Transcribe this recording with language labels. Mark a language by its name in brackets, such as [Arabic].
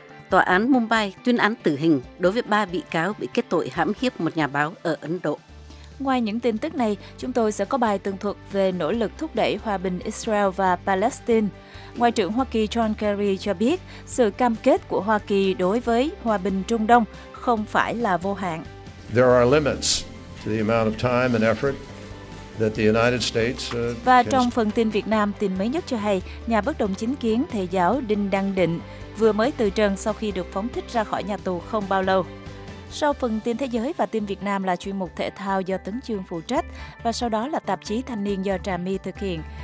[Vietnamese] Tòa án Mumbai tuyên án tử hình đối với ba bị cáo bị kết tội hãm hiếp một nhà báo ở Ấn Độ. Ngoài những tin tức này, chúng tôi sẽ có bài tường thuật về nỗ lực thúc đẩy hòa bình Israel và Palestine. Ngoại trưởng Hoa Kỳ John Kerry cho biết sự cam kết của Hoa Kỳ đối với hòa bình Trung Đông không phải là vô hạn. [English] There are limits to the amount of time and effort that the United States. [Vietnamese] Và trong phần tin Việt Nam, tin mới nhất cho hay, nhà bất đồng chính kiến thầy giáo Đinh Đăng Định vừa mới từ trần sau khi được phóng thích ra khỏi nhà tù không bao lâu. Sau phần tin thế giới và tin Việt Nam là chuyên mục thể thao do Tấn Chương phụ trách và sau đó là tạp chí Thanh Niên do Trà My thực hiện.